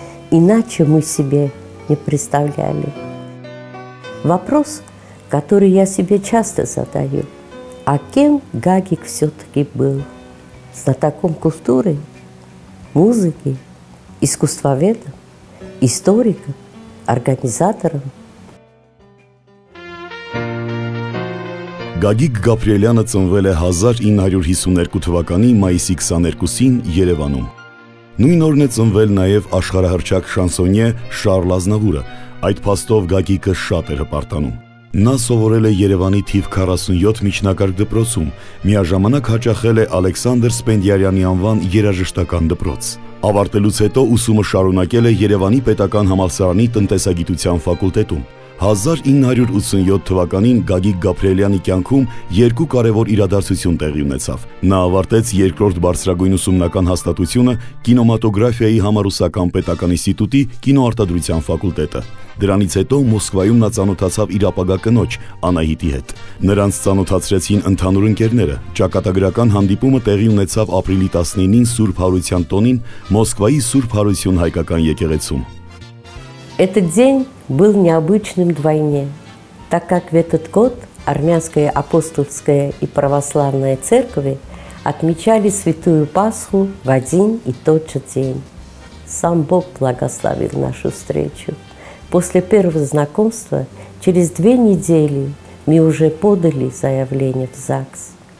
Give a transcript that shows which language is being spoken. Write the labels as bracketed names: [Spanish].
[Russian] Иначе мы себе не представляли. Вопрос, который я себе часто задаю. А кем Гагик все-таки был? Знатоком культуры, музыки, искусствоведом, историком, организатором? [Armenian] Գագիկ Գաբրելյանը ծնվել է 1952 թվականի մայիսի 22-ին Երևանում։ Նույն օրն է ծնվել նաև աշխարհահռչակ շանսոնյե Շարլ Ազնավուրը, այդ փաստով Գագիկը շատ էր հպարտանում։ Նա սովորել է Երևանի թիվ 47 միջնակարգ դպրոցում, միաժամանակ հաճախել է Ալեքսանդր Սպենդիարյանի անվան երաժշտական դպրոց։ Ավարտելուց հետո ուսումը շարունակել է Երևանի պետական համալսարանի տնտեսագիտության ֆակուլտետում։ 1987 թվականին Գագիկ Գաբրելյանի կյանքում երկու կարևոր իրադարձություն տեղի ունեցավ։ Նա ավարտեց երկրորդ բարձրագույն ուսումնական հաստատությունը կինոմատոգրաֆիայի համառուսական պետական ինստիտուտի կինոարտադրության ֆակուլտետը։ Դրանից հետո Մոսկվայում նա ծանոթացավ իր ապագա կնոջ Անահիտի հետ։ Նրանց ծանոթացրեցին ընդհանուր ընկերները։ Ճակատագրական հանդիպումը տեղի ունեցավ ապրիլի 19-ին Սուրբ Հարություն տոնին Մոսկվայի Սուրբ Հարություն հայկական եկեղեցում։ [Russian] Этот день был необычным вдвойне, так как в этот год армянская апостольская и православная церкви отмечали Святую Пасху в один и тот же день. Сам Бог благословил нашу встречу. После первого знакомства через 2 недели мы уже подали заявление в ЗАГС.